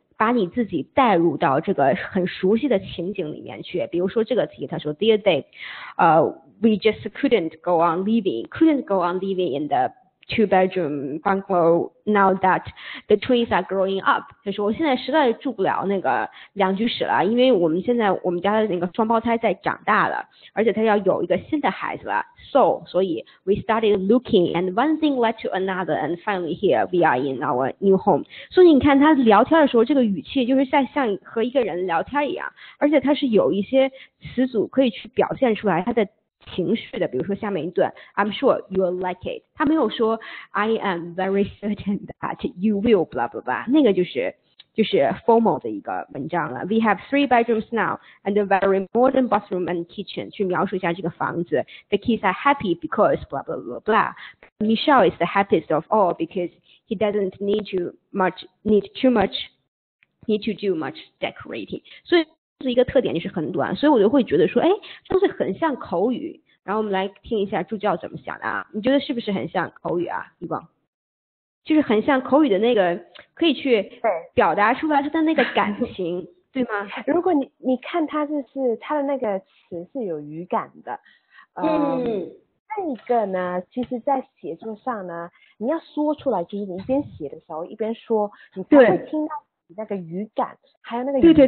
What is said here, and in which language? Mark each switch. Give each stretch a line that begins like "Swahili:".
Chinese: 把你自己带入到这个很熟悉的情景里面去，比如说这个题，他说，
English: Dear Dave，we just couldn't go on living in the two-bedroom bungalow now that the trees are growing up。
Chinese: 他说，我现在实在住不了那个2居室了，因为我们家的那个双胞胎在长大了，而且他要有一个新的孩子了。所以
English: we started looking and one thing led to another and finally here we are in our new home。
Chinese: 所以你看他聊天的时候，这个语气就是像和一个人聊天一样，而且他是有一些词组可以去表现出来他的情绪的。比如说下面一段，
English: I'm sure you'll like it。
Chinese: 他没有说
English: I am very certain that you will blah blah
Chinese: blah，那个就是 formal 的一个文章了。
English: We have three bedrooms now and a very modern bathroom and kitchen。
Chinese: 去描述一下这个房子。
English: The kids are happy because blah blah blah blah。 Michelle is the happiest of all because he doesn't need to do much decorating。
Chinese: 所以这是一个特点，就是很短。所以我就会觉得说，哎，这东西很像口语。然后我们来听一下助教怎么想的啊？你觉得是不是很像口语啊？一共。就是很像口语的那个，可以去对，表达出来他的那个感情，对吗？如果你看它是它的那个词是有语感的，再一个呢，其实，在写作上呢，你要说出来，就是你一边写的时候一边说，你才会听到你那个语感，还有那个语